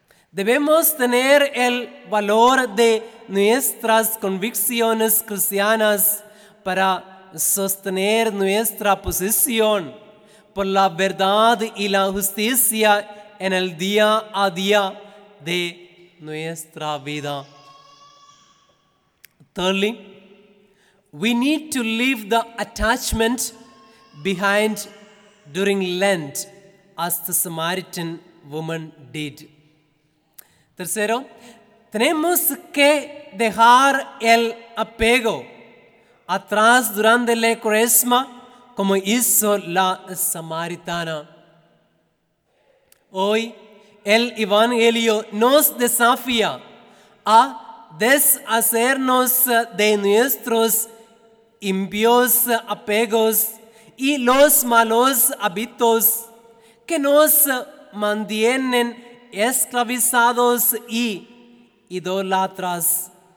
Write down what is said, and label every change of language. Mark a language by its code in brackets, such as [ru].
[es] Debemos tener el valor de nuestras convicciones cristianas para sostener nuestra posición por la verdad y la justicia en el día a día de nuestra vida. [en] Thirdly, we need to leave the attachment behind during Lent, as the Samaritan woman did. [es] Tercero, tenemos que dejar el apego atrás durante la Cuaresma, como hizo la Samaritana. Hoy, el Evangelio nos desafía a deshacernos de nuestros impíos apegos y los malos hábitos que nos mantienen esclavizados y idólatras.